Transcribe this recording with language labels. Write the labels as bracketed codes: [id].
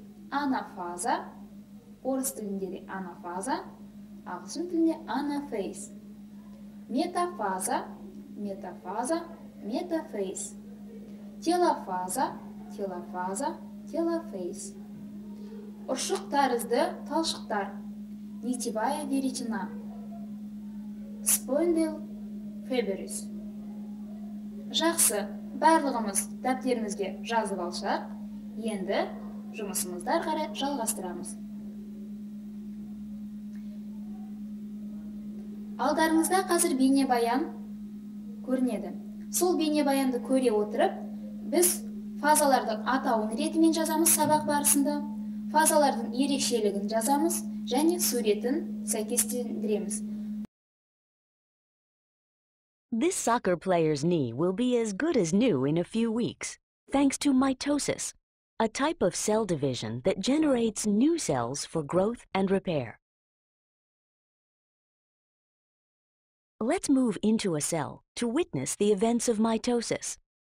[kk] Анафаза, орыс тілінде анафаза, ағылшын тілінде анафейс. Метафаза, метафаза, метафейс. Телофаза, телофаза, телофейс. Ұршық тәрізді талшықтар. [ru] Нитевая веретена. [en] Спондил феберис. [kk] Жақсы, барлығымыз дәптерімізге жазып алсақ, енді жұмысымызды ары қарай жалғастырамыз. Алдарыңызда қазір бейнебаян көрінеді. Сол бейнебаянды көре отырып, біз фазаларды атауын ретімен жазамыз сабақ барысында, фазалардың ерекшелігін жазамыз және суретін сәйкестендіреміз. [en] This soccer player's knee will be as good as new in a few weeks, thanks to mitosis, a type of cell division that generates new cells for growth and repair. Let's move into a cell to witness the events of mitosis.